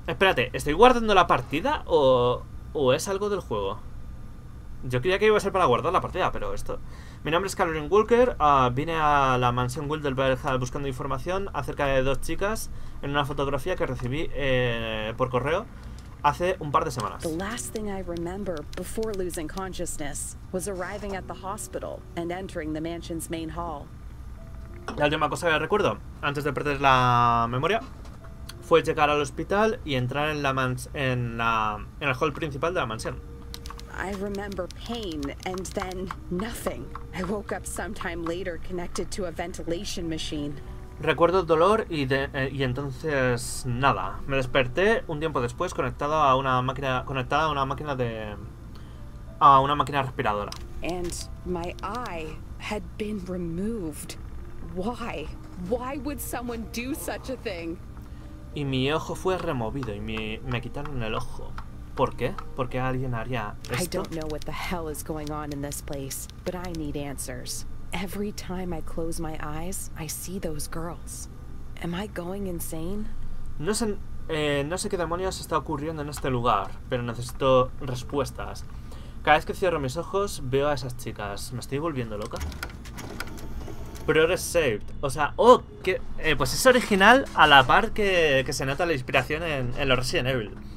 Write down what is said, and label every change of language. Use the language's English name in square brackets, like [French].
[Spanish] Espérate, ¿estoy guardando la partida o es algo del juego? Yo creía que iba a ser para guardar la partida, pero esto... Mi nombre es Carolyn Walker, vine a la mansión Wildenberg buscando información acerca de dos chicas en una fotografía que recibí por correo hace un par de semanas. [English] The last thing I remember before losing consciousness was arriving at the hospital and entering the mansion's main hall. [Spanish] La última cosa que recuerdo antes de perder la memoria fue llegar al hospital y entrar en la en el hall principal de la mansión. [English] I remember pain and then nothing. I woke up sometime later connected to a ventilation machine. [Spanish] Recuerdo dolor y entonces nada. Me desperté un tiempo después conectada a una máquina respiradora. [English] And my eye had been removed. Why? Why would someone do such a thing? [Spanish] Y mi ojo fue removido y me quitaron el ojo. ¿Por qué? ¿Por qué alguien haría esto? [English] I don't know what the hell is going on in this place, but I need answers. Every time I close my eyes, I see those girls. Am I going insane? [Spanish] No sé qué demonios está ocurriendo en este lugar, pero necesito respuestas. Cada vez que cierro mis ojos, veo a esas chicas. ¿Me estoy volviendo loca? [English] Progress saved. [Spanish] O sea, oh, que, pues es original a la par que se nota la inspiración en los Resident Evil.